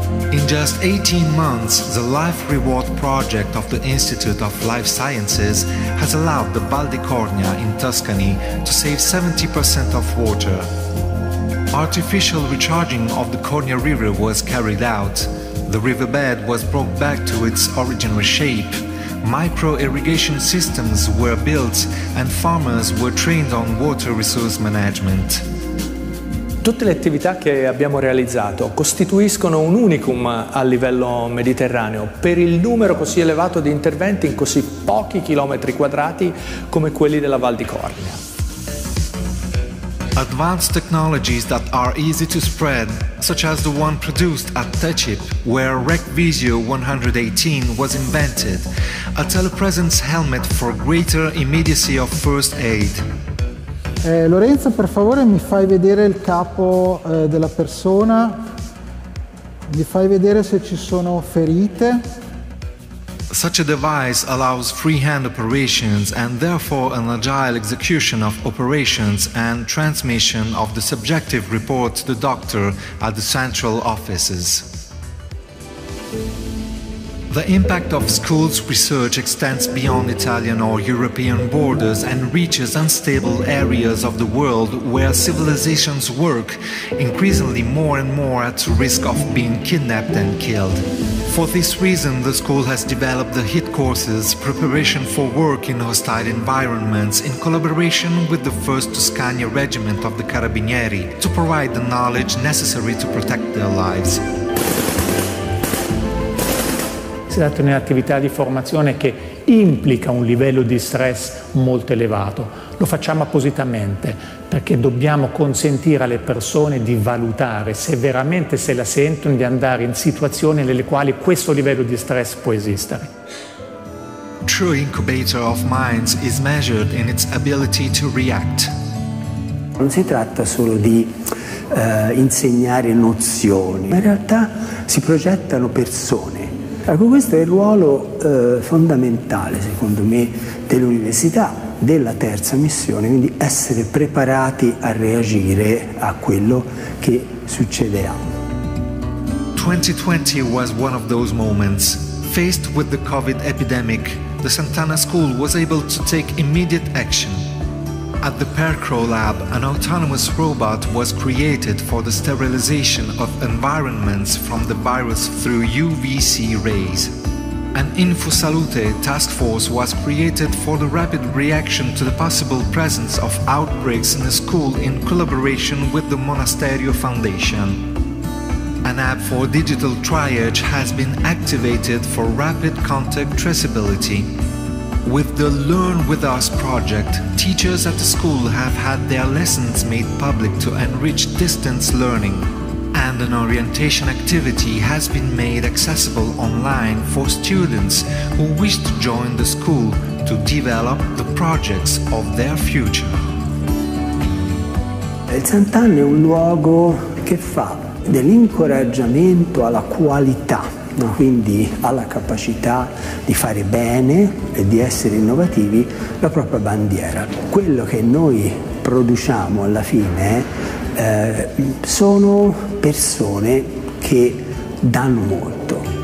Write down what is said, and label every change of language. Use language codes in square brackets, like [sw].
[en] In just 18 months, the Life Reward Project of the Institute of Life Sciences has allowed the Val di Cornia in Tuscany to save 70% of water. Artificial recharging of the Cornia River was carried out. The riverbed was brought back to its original shape. Micro-irrigation systems were built and farmers were trained on water resource management. [it] Tutte le attività che abbiamo realizzato costituiscono un unicum a livello mediterraneo per il numero così elevato di interventi in così pochi chilometri quadrati come quelli della Val di Cornia. [en] Advanced technologies that are easy to spread, such as the one produced at TECIP, where RecVisio 118 was invented, a telepresence helmet for greater immediacy of first aid. [it] Lorenzo, per favore mi fai vedere il capo della persona, mi fai vedere se ci sono ferite. [en] Such a device allows freehand operations and therefore an agile execution of operations and transmission of the subjective report to the doctor at the central offices. The impact of schools' research extends beyond Italian or European borders and reaches unstable areas of the world where civilizations work, increasingly more and more at risk of being kidnapped and killed. For this reason, the school has developed the HIT courses, Preparation for Work in Hostile Environments, in collaboration with the 1st Tuscania Regiment of the Carabinieri, to provide the knowledge necessary to protect their lives. [it] Si tratta di un'attività di formazione che implica un livello di stress molto elevato. Lo facciamo appositamente perché dobbiamo consentire alle persone di valutare se veramente se la sentono di andare in situazioni nelle quali questo livello di stress può esistere. [en] True incubator of minds is measured in its ability to react. [it] Non si tratta solo di insegnare nozioni, ma in realtà si progettano persone. Ecco, questo è il ruolo fondamentale, secondo me, dell'università, della terza missione, quindi essere preparati a reagire a quello che succederà. [en] 2020 was one of those moments. Faced with the COVID epidemic, the Sant'Anna School was able to take immediate action. At the Percrow Lab, an autonomous robot was created for the sterilization of environments from the virus through UVC rays. An InfoSalute task force was created for the rapid reaction to the possible presence of outbreaks in a school in collaboration with the Monasterio Foundation. An app for digital triage has been activated for rapid contact traceability. With the Learn With Us project, teachers at the school have had their lessons made public to enrich distance learning. And an orientation activity has been made accessible online for students who wish to join the school to develop the projects of their future. [it] Il Sant'Anna è un luogo che fa dell'incoraggiamento alla qualità. No, quindi alla capacità di fare bene e di essere innovativi la propria bandiera. Quello che noi produciamo alla fine sono persone che danno molto.